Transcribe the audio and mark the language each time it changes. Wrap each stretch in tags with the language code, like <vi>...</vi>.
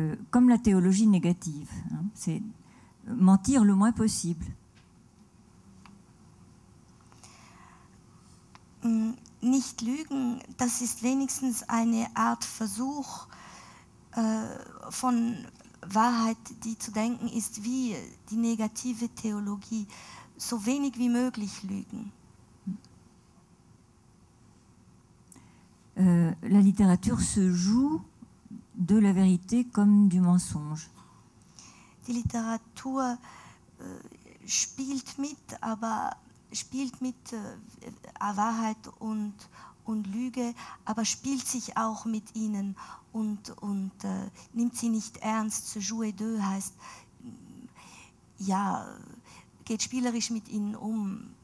<fr>comme la théologie négative, hein, c'est mentir le moins possible.</fr> <de>Nicht lügen, das ist wenigstens eine Art Versuch von Wahrheit, die zu denken ist, wie die negative Theologie, so wenig wie möglich lügen.</de> <fr>La littérature se joue de la vérité comme du mensonge.</fr> <de>Die Literatur spielt mit, aber spielt mit Wahrheit und Lüge, aber spielt sich auch mit ihnen und nimmt sie nicht ernst.</de> <fr>Se joue de</fr> <de>heißt, ja, geht spielerisch mit ihnen um.</de>